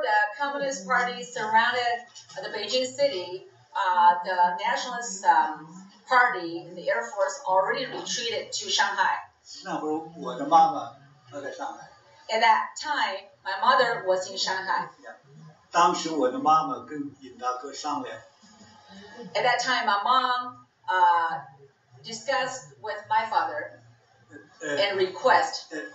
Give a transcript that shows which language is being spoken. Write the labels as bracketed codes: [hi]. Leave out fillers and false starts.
[en] the Communist Party surrounded the Beijing city, the Nationalist Party, the Air Force already retreated to Shanghai. [zh] 那会儿我的妈妈她在上海。At [en] that time, my mother was in Shanghai. Yeah. [zh] 当时我的妈妈跟尹大哥商量。At [en] that time, my mom discussed with my father and request.